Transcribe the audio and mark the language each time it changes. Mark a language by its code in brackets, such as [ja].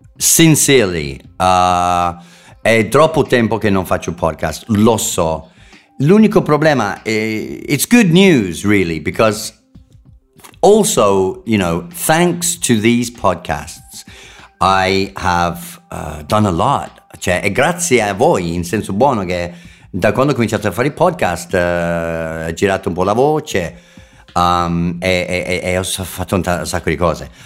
[it] Sincerely, è troppo tempo che non faccio podcast, lo so. L'unico problema, [en] it's good news, really, because also, you know, thanks to these podcasts, I have done a lot. [it] Cioè, e grazie a voi, in senso buono, che da quando ho cominciato a fare i podcast, ho girato un po' la voce e ho fatto un sacco di cose.